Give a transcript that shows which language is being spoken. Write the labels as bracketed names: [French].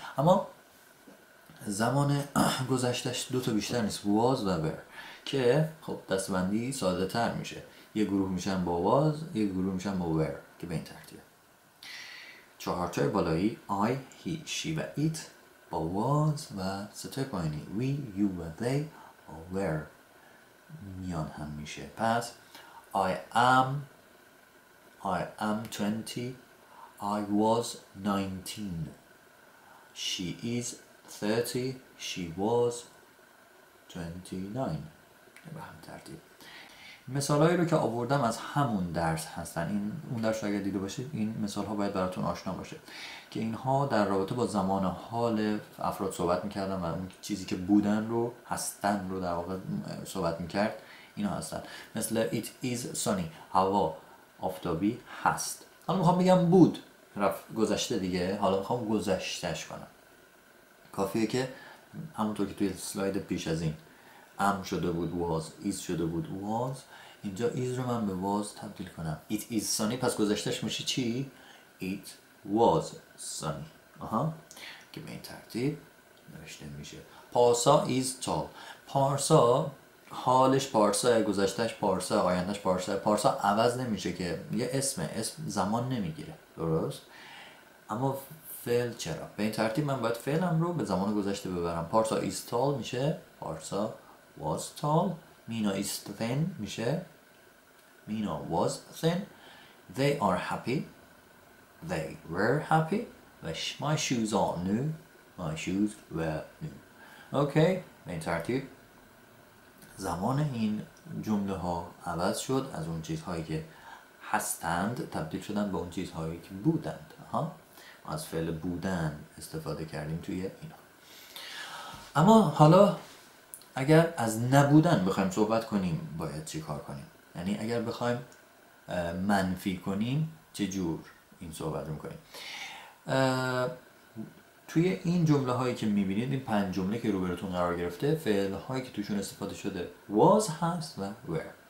[Persian] اما زمان گذشتش دوتا بیشتر نیست، was و were، که خب دستبندی ساده تر میشه. یه گروه میشن با was، یه گروه میشن با were که به این ترتیب. چهارتای بالایی I، he، she و it با was و ستای پایینی we، you و they با were میان هم میشه. [English] پس I am 20، I was 19، she is 30، she was 29. [Persian] به هم ترتیب. مثالایی رو که آوردم از همون درس هستن. این اون درس رو اگر دیده باشید، این مثال ها باید براتون آشنا باشه که اینها در رابطه با زمان حال افراد صحبت میکردن و اون چیزی که بودن رو، هستن رو در واقع صحبت میکرد، اینا هستن. مثل [English] it is sunny، [Persian] هوا آفتابی هست. حالا میخوام بگم بود، رفت گذشته دیگه، حالا میخوام گذشتش کنم. کافیه که همونطور که توی سلاید پیش از این am شده بود was، is شده بود was، اینجا is رو من به was تبدیل کنم. [English] it is sunny، [Persian] پس گذشتش میشه چی؟ [English] it was sunny. [Persian] آها، که به این ترتیب نوشته میشه. پارسا [English] is tall، [Persian] پارسا حالش پارسا، گذشتش پارسا، آیندهش پارسا. پارسا عوض نمیشه که، یه اسمه، اسم زمان نمیگیره، درست؟ اما فعل چرا؟ به این ترتیب من باید فعلم رو به زمان گذشته ببرم. [English] پارسا is tall میشه پارسا was tall، مینا is thin میشه مینا was thin، they are happy، they were happy، و my shoes are new، my shoes were new. [Persian] اوکی، به این ترتیب زمان این جمله ها عوض شد، از اون چیزهایی که هستند تبدیل شدن به اون چیزهایی که بودند. ها، از فعل بودن استفاده کردیم توی اینا. اما حالا اگر از نبودن بخوایم صحبت کنیم، باید چی کار کنیم؟ یعنی اگر بخوایم منفی کنیم، چه جور این صحبت رو میکنیم؟ توی این جمله هایی که میبینید، این پنج جمله که روبرتون قرار گرفته، فعل هایی که توشون استفاده شده was هست و were.